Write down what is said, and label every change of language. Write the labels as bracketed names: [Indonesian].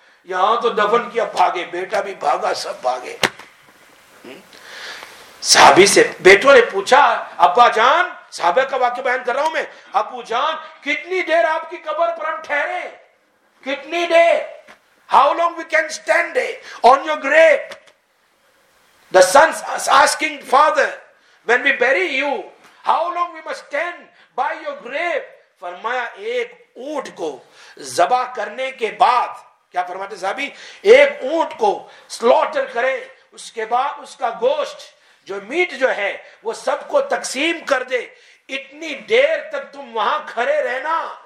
[Urdu] یہاں تو دفن کیا بھاگے, بیٹا بھی بھاگا, سب بھاگے. صحابی سے بیٹوں نے پوچھا, ابا جان, صحابہ کا واقعہ بیان کر رہا ہوں میں, ابو جان کتنی دیر آپ کی قبر پر ہم ٹھہرے, کتنی دیر, [English] How long we can stand on your grave. The sons asking father, when we bury you, how long we must stand by your grave? [Urdu] فرمایا ایک اونٹ کو ذبح کرنے کے بعد, کیا فرماتے ہیں صحابی, ایک اونٹ کو سلوٹر کرے, اس کے بعد اس کا گوشت جو میٹ جو ہے وہ سب کو تقسیم کر دے, اتنی دیر تک تم وہاں کھڑے رہنا.